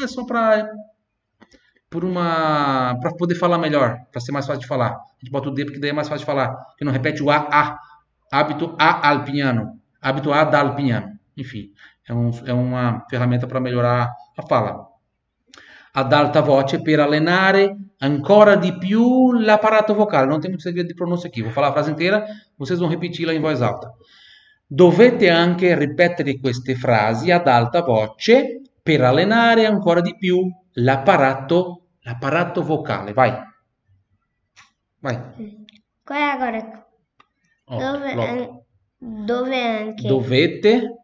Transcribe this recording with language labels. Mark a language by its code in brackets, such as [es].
[pt] Para poder falar melhor, para ser mais fácil de falar. A gente bota o D porque daí é mais fácil de falar. Que não repete o A. Hábito A Alpignano. Hábito A da Alpignano. Enfim, é uma ferramenta para melhorar a fala. [it] Ad alta voce per allenare ancora di più l'apparato vocale. [pt] Não tem muito segredo de pronúncia aqui. Vou falar a frase inteira, vocês vão repeti-la em voz alta. [it] Dovete anche ripetere queste frasi ad alta voce per allenare ancora di più l'apparato vocale, vai. Vai. Qual è [pt] agora? [it] Otto, lotto. Dovete